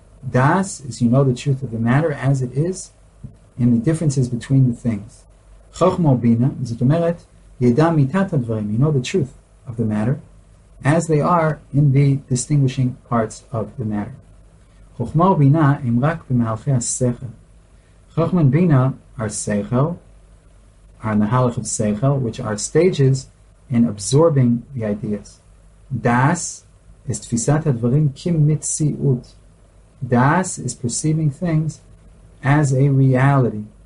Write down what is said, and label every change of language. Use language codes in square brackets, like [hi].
[en] Das is you know the truth of the matter as it is in the differences between the things. Chochmo bina, [he] זאת אומרת, ידע מיתת הדברים, [en] you know the truth of the matter as they are in the distinguishing parts of the matter. [he] Chochmo bina הם רק במהלכי השכל. [en] Chochmo bina are seichel, are in the halach of seichel, which are stages in absorbing the ideas. [he] Das is tfisat hadvarim kim mitziut. [en] Das is perceiving things as a reality.